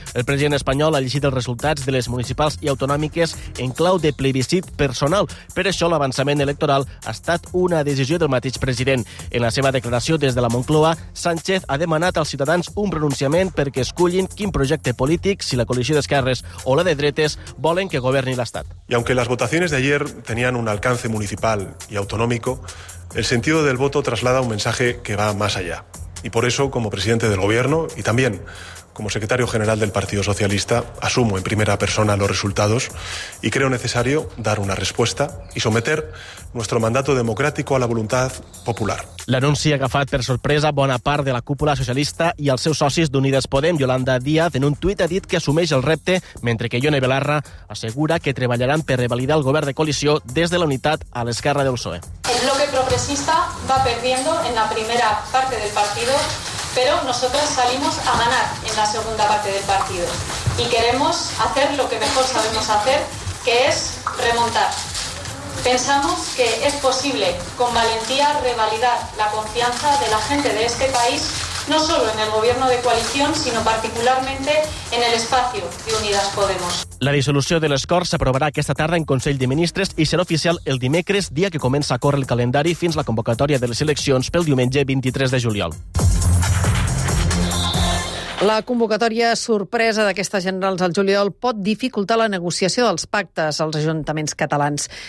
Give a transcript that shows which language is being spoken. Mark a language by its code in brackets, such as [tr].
[ca] El president espanyol ha llegit els resultats de les municipals i autonòmiques en clau de plebiscit personal. Per això l'avançament electoral ha estat una decisió del mateix president. En la seva declaració des de la Moncloa, Sánchez ha demanat als ciutadans un pronunciament perquè escollin quin projecte polític, si la coalició d'esquerres o la de dretes, volen que governi l'Estat. [es] I aunque las Las votaciones de ayer tenían un alcance municipal y autonómico, el sentido del voto traslada un mensaje que va más allá. Y por eso, como presidente del Gobierno y también como secretario general del Partido Socialista, asumo en primera persona los resultados y creo necesario dar una respuesta y someter nuestro mandato democrático a la voluntad popular. [ca] L'anunci ha agafat per sorpresa bona part de la cúpula socialista i els seus socis d'Unides Podem. Yolanda Díaz, en un tuit, ha dit que assumeix el repte, mentre que Jone Belarra assegura que treballaran per revalidar el govern de coalició des de la unitat a l'esquerra del PSOE. [es] El bloque progressista va perdiendo en la primera parte del partido, pero nosotros salimos a ganar en la segunda parte del partido. Y queremos hacer lo que mejor sabemos hacer, que es remontar. Pensamos que es posible con valentía revalidar la confianza de la gente de este país, no solo en el gobierno de coalición, sino particularmente en el espacio de Unidas Podemos. [ca] La dissolució de les Corts s'aprovarà aquesta tarda en Consell de Ministres i serà oficial el dimecres, dia que comença a córrer el calendari fins a la convocatòria de les eleccions pel diumenge 23 de juliol. La convocatòria sorpresa d'aquestes generals al juliol pot dificultar la negociació dels pactes als ajuntaments catalans.